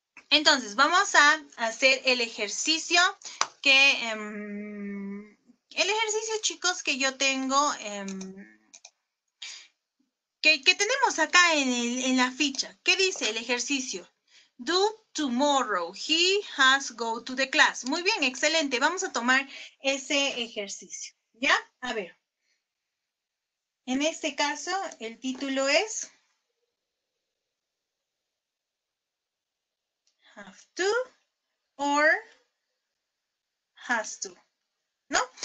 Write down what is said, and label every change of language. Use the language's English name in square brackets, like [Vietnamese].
[Spanish] Entonces, vamos a hacer el ejercicio que, el ejercicio, chicos, que yo tengo, que tenemos acá en la ficha. ¿Qué dice el ejercicio? [English] Do tomorrow, he has go to the class. [Spanish] Muy bien, excelente, vamos a tomar ese ejercicio. ¿Ya? A ver. En este caso, el título es Have to or Has to. ¿No?